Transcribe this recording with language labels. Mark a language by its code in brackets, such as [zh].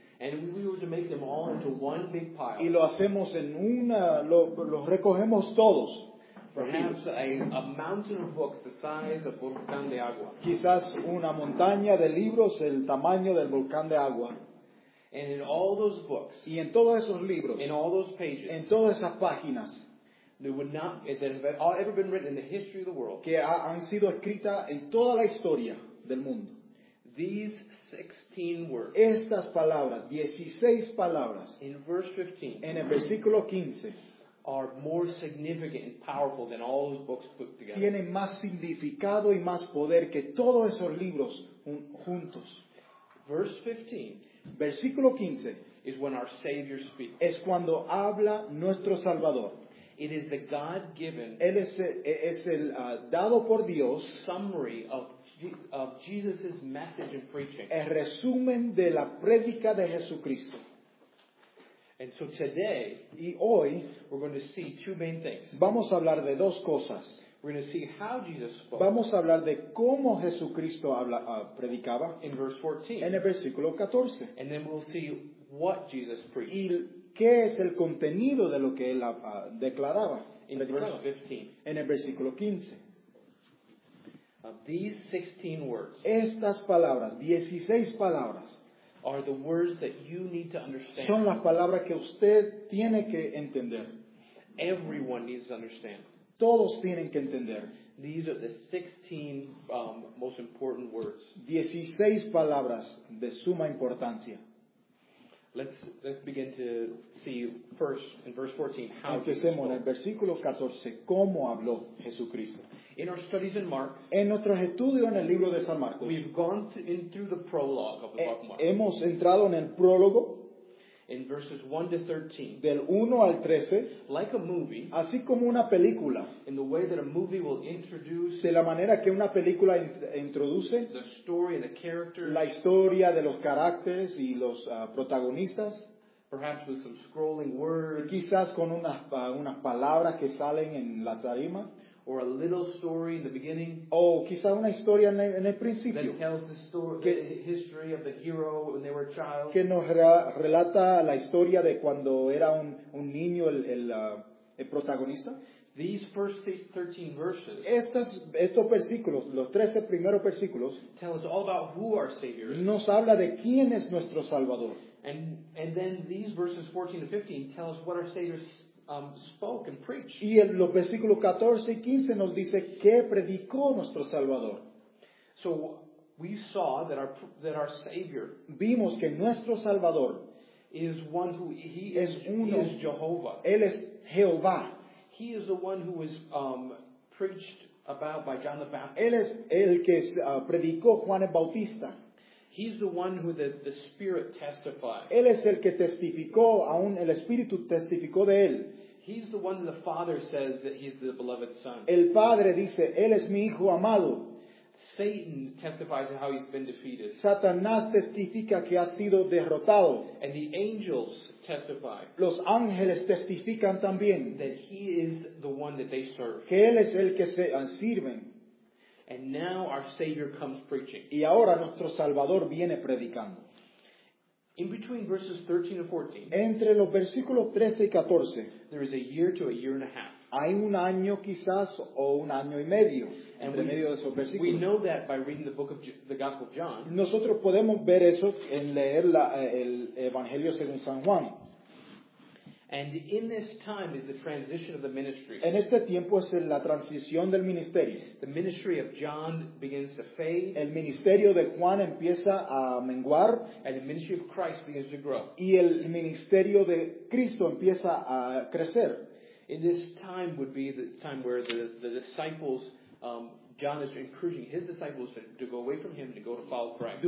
[en] and we were to make them all into one big pile, [es] y lo hacemos en una, lo recogemos todos. [en] Perhaps a mountain of books the size of volcán de agua. [es] Quizás una montaña de libros el tamaño del volcán de agua. [en] And in all those books, [es] y en todos esos libros, [en] in all those pages, [es] en todas esas páginas, [en] they would not have ever been written in the history of the world, [es] que han sido escritas en toda la historia del mundo. [en] These 16 words, [es] estas palabras, 16 palabras, [en] in verse 15, [es] en el versículo 15, [en] are more significant and powerful than all those books put together. [es] Tienen más significado y más poder que todos esos libros juntos. [en] Verse 15, [es] versículo 15, [en] is when our Savior speaks. [es] Es cuando habla nuestro Salvador. [en] It is the God-given, [es] él es el dado por Dios, [en] summary of Jesus's message and preaching. [es] El resumen de la prédica de Jesucristo. [en] And so today, [es] y hoy, [en] we're going to see two main things. [es] Vamos a hablar de dos cosas. [en] We're going to see how Jesus spoke. [es] Vamos a hablar de cómo Jesucristo predicaba. [en] In verse 14. [es] En el versículo 14. [en] And then we'll see what Jesus preached. [es] Y qué es el contenido de lo que él declaraba. [en] In verse 15. [es] En el versículo 15. [en] Of these 16 words. [es] Estas palabras, 16 palabras, [en] are the words that you need to understand. [es] Son las palabras que usted tiene que entender. [en] Everyone needs to understand. [es] Todos tienen que entender. [en] These are the 16 most important words. [es] 16 palabras de suma importancia. [en] Let's begin to see first in verse 14 how. [es] Empecemos en el versículo 14 cómo habló Jesucristo. [en] In our studies in Mark, [es] en nuestros estudios en el libro de San Marcos, [en] we've gone through the prologue of the book of Mark. [es] Hemos entrado en el prólogo, [en] in verses 1 to 13, [es] del 1 al 13, [en] like a movie, [es] así como una película, [en] in the way that a movie will introduce, [es] de la manera que una película introduce, [en] the story and the characters, [es] la historia de los caracteres y los protagonistas. [en] Perhaps with some scrolling words, [es] quizás con unas unas palabras que salen en la tarima. [en] Or a little story in the beginning. [es] Oh, quizá una historia en el principio. [en] That tells the story, the history of the hero when they were a child. [es] Que nos relata la historia de cuando era un niño el protagonista. [en] These first 13 verses. [es] Estos versículos, los 13 primeros versículos. [en] Tell us all about who our Savior is. [es] Nos habla de quién es nuestro Salvador. [en] And then these verses 14 to 15 tell us what our Savior is. Spoke and preached. [es] Y en los versículos 14 y 15 nos dice qué predicó nuestro Salvador. [en] So we saw that our Savior, [es] vimos que nuestro Salvador, [en] is one who he is, [es] uno, [en] he is Jehovah. [es] Él es Jehová. [en] He is the one who was preached about by John the Baptist. [es] Él es el que predicó Juan el Bautista. [en] He's the one who the Spirit testifies. [es] Él es el que testificó, aún el Espíritu testificó de él. [en] He's the one the Father says that he's the beloved Son. [es] El Padre dice, él es mi hijo amado. [en] Satan testifies to how he's been defeated. [es] Satanás testifica que ha sido derrotado. [en] And the angels testify. [es] Los ángeles testifican también. [en] That he is the one that they serve. [es] Que él es el que se sirven. [en] And now our Savior comes preaching. [es] Y ahora nuestro Salvador viene predicando. [en] In between verses 13 and 14. [es] Entre los versículos 13 y 14. [en] There is a year to a year and a half. [es] Hay un año quizás o un año y medio. [en] And [es] entre medio de esos versículos. [en] We know that by reading the book of the Gospel of John. [es] Nosotros podemos ver eso en leer el Evangelio según San Juan. [en] And in this time is the transition of the ministry. [es] En este tiempo es la transición del ministerio. [en] The ministry of John begins to fade. [es] El ministerio de Juan empieza a menguar. [en] And the ministry of Christ begins to grow. [es] Y el ministerio de Cristo empieza a crecer. [en] In this time would be the time where the disciples, John is encouraging his disciples to go away from him and to go to follow Christ.